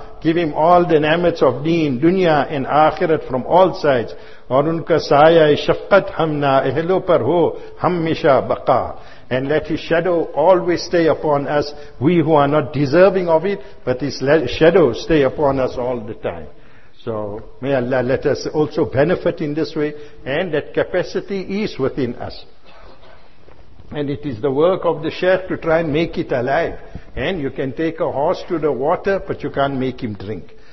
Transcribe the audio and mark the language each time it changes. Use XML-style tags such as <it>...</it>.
<en>Give him all the نعمتس of deen, dunya and آخرت from all sides.</en> <ur>اور ان کا سایہ شفقت ہم نا اہلوں پر ہو ہمیشہ بقا.</ur> <en>And let his shadow always stay upon us, we who are not deserving of it, but his shadow stay upon us all the time. So may Allah let us also benefit in this way, and that capacity is within us. And it is the work of the sheikh to try and make it alive. And you can take a horse to the water, but you can't make him drink.</en>